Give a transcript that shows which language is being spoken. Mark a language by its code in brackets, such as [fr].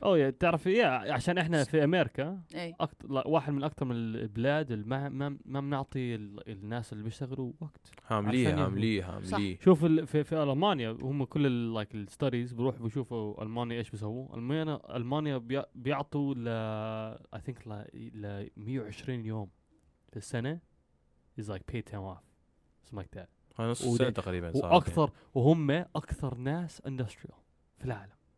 [en] Oh yeah, [ar] تعرف yeah, عشان احنا في امريكا واحد من اكثر من البلاد ما بنعطي الناس اللي بيشتغلوا وقت. هامليه. شوف في المانيا هم كل like الستديز بروحوا بيشوفوا المانيا ايش بيسووا. المانيا بيعطوا ل [en] I think [ar] ل 120 يوم في السنه. [en] Is like paid time off, something like that. [ar] نص سنة تقريبا. وأكثر وهم أكثر ناس industrial في العالم.